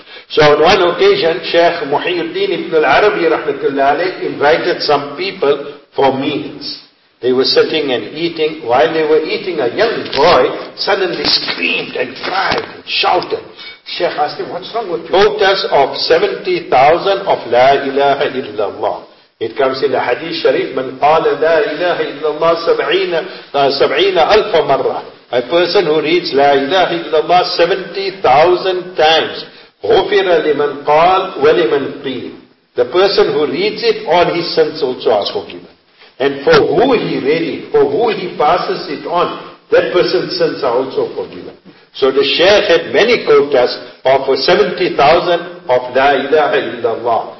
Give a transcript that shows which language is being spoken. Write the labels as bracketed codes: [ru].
[en] So on one occasion, Sheikh Muhyiddin Ibn al-Arabi, rahmatullahi alayhi, invited some people for meals. They were sitting and eating. While they were eating, a young boy suddenly screamed and cried and shouted. Sheikh asked him, what's wrong with you? Quotas of 70,000 of La ilaha illallah. It comes in the hadith sharif, [ar] من قال لا إله إلا الله سبعين ألف مرة. [en] A person who reads La ilaha illallah 70,000 times. [ar] غفر لمن قال ولمن قيل. [en] The person who reads it, all his sins also are forgiven. And for who he really, for who he passes it on, That person's sins are also forgiven. So the Shaykh had many quotas of 70,000 of La ilaha illallah.